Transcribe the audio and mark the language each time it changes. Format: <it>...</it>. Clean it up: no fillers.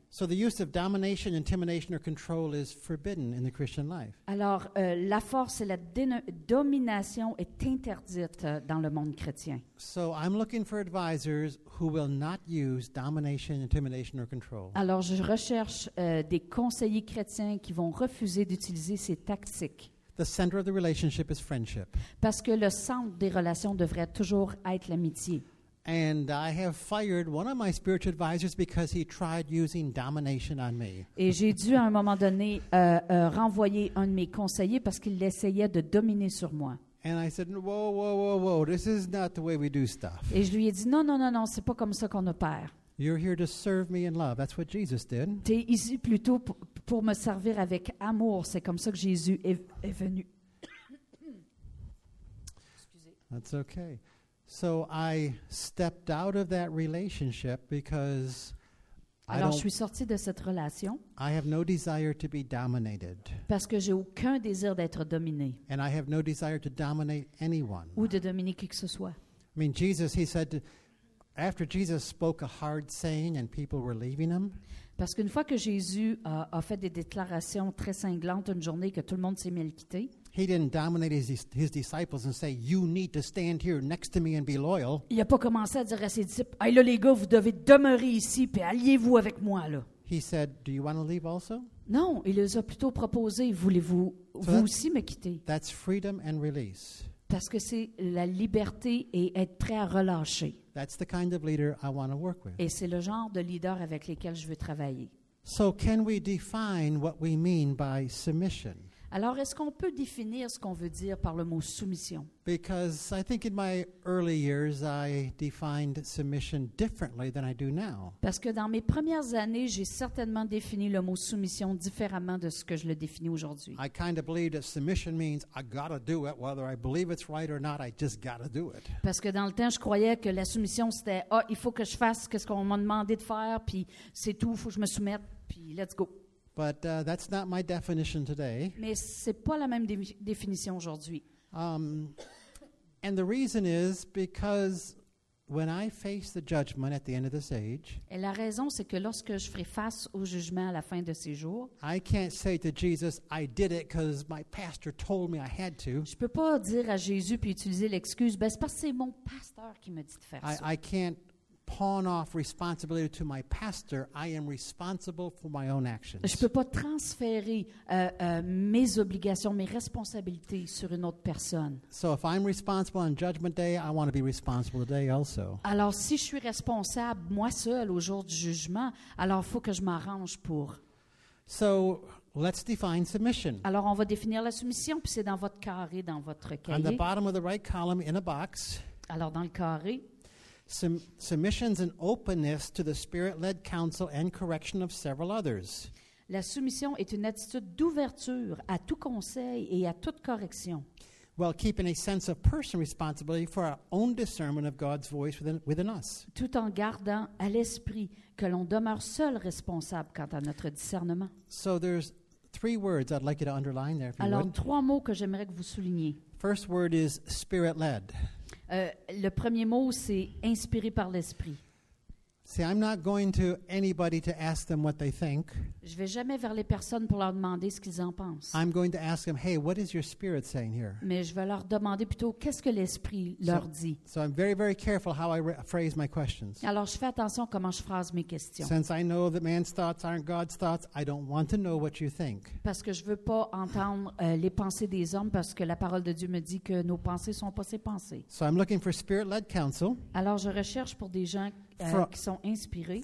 <en>So the use of domination, intimidation or control is forbidden in the Christian life.</en> <fr>Alors la force et la domination est interdite dans le monde chrétien.</fr> <en>So I'm looking for advisors who will not use domination, intimidation or control.</en> <fr>Alors je recherche des conseillers chrétiens qui vont refuser d'utiliser ces tactiques.</fr> <en>The center of the relationship is friendship.</en> <fr>Parce que le centre des relations devrait toujours être l'amitié.</fr> <en>And I have fired one of my spiritual advisors because he tried using domination on me.</en> <fr>Et j'ai dû à un moment donné renvoyer un de mes conseillers parce qu'il essayait de dominer sur moi.</fr> <en>And I said, whoa, whoa, whoa, whoa, this is not the way we do stuff.</en> <fr>Et je lui ai dit, non, c'est pas comme ça qu'on opère.</fr> <en>You're here to serve me in love. That's what Jesus did.</en> <fr>T'es ici plutôt pour me servir avec amour. C'est comme ça que Jésus est venu. Excusez.</fr> <en>That's okay. So I stepped out of that relationship because</en> <fr>alors, je suis sortie de cette relation.</fr> <en>I have no desire to be dominated.</en> <fr>Parce que j'ai aucun désir d'être dominé.</fr> <en>And I have no desire to dominate anyone.</en> <fr>Ou de dominer qui que ce soit.</fr> <en>I mean, Jesus, he said, after Jesus spoke a hard saying and people were leaving him.</en> <fr>Parce qu'une fois que Jésus a fait des déclarations très cinglantes une journée que tout le monde s'est mis à le quitter.</fr> <en>He didn't dominate his disciples and say, you need to stand here next to me and be loyal.</en> <fr>Il a pas commencé à dire à ses disciples, hey là les gars, vous devez demeurer ici puis alliez-vous avec moi là.</fr> <en>He said, do you want to leave also?</en> <fr>Non, il les a plutôt proposé, voulez-vous vous aussi me quitter?</fr> <en>That's freedom and release.</en> <fr>Parce que c'est la liberté et être prêt à relâcher.</fr> <en>That's the kind of leader I want to work with.</en> <fr>Et c'est le genre de leader avec lesquels je veux travailler.</fr> <en>So can we define what we mean by submission?</en> <fr>Alors, est-ce qu'on peut définir ce qu'on veut dire par le mot soumission?</fr> <en>Because I think in my early years, I defined submission differently than I do now.</en> <fr>Parce que dans mes premières années, j'ai certainement défini le mot soumission différemment de ce que je le définis aujourd'hui.</fr> <en>I kind of believed that submission means I gotta do it, whether I believe it's right or not, I just gotta do it.</en> <fr>Parce que dans le temps, je croyais que la soumission, c'était, ah, oh, il faut que je fasse ce qu'on m'a demandé de faire, puis c'est tout, il faut que je me soumette, puis</fr> <en>let's go. But that's not my definition today.</en> <fr>Mais c'est pas la même définition aujourd'hui.</fr> <en>And the reason is because when I face the judgment at the end of this age,</en> <fr>et la raison c'est que lorsque je ferai face au jugement à la fin de ces jours,</fr> <en>I can't say to Jesus, I did it because my pastor told me I had to.</en> <fr>Je peux pas dire à Jésus puis utiliser l'excuse, ben c'est parce que c'est mon pasteur qui me dit de faire ça.</fr> <en>I can't pawn off responsibility to my pastor. I am responsible for my own actions.</en> <fr>Je peux pas transférer mes obligations, mes responsabilités sur une autre personne.</fr> <en>So if I'm responsible on judgment day, I want to be responsible today also.</en> <fr>Alors si je suis responsable moi seul au jour du jugement, alors faut que je m'arrange pour.</fr> <en>So let's define submission.</en> <fr>Alors on va définir la soumission, puis c'est dans votre carré, dans votre cahier.</fr> <en>On the bottom of the right column in a box.</en> <fr>Alors dans le carré.</fr> <en>Submission's an openness to the Spirit-led counsel and correction of several others.</en> <fr>La soumission est une attitude d'ouverture à tout conseil et à toute correction.</fr> <en>While keeping a sense of personal responsibility for our own discernment of God's voice within us.</en> <fr>Tout en gardant à l'esprit que l'on demeure seul responsable quant à notre discernement.</fr> <en>So there's three words I'd like you to underline there.</en> <fr>Alors</fr> <en>would.</en> <fr>Trois mots que j'aimerais que vous souligniez.</fr> <en>First word is Spirit-led.</en> <fr>Le premier mot, c'est inspiré par l'esprit.</fr> <en>See, I'm not going to anybody to ask them what they think.</en> <fr>Je vais jamais vers les personnes pour leur demander ce qu'ils en pensent.</fr> <en>I'm going to ask them, hey, what is your spirit saying here?</en> <fr>Mais je vais leur demander plutôt qu'est-ce que l'esprit leur dit.</fr> <en>So I'm very, very careful how I phrase my questions.</en> <fr>Alors je fais attention comment je phrase mes questions.</fr> <en>Since I know that man's thoughts aren't God's thoughts, I don't want to know what you think.</en> <fr>Parce que je veux pas entendre les pensées des hommes parce que la parole de Dieu me dit que nos pensées sont pas ses pensées.</fr> <en>So I'm looking for spirit-led counsel.</en> <fr>Alors je recherche pour des gens qui sont inspirés</fr>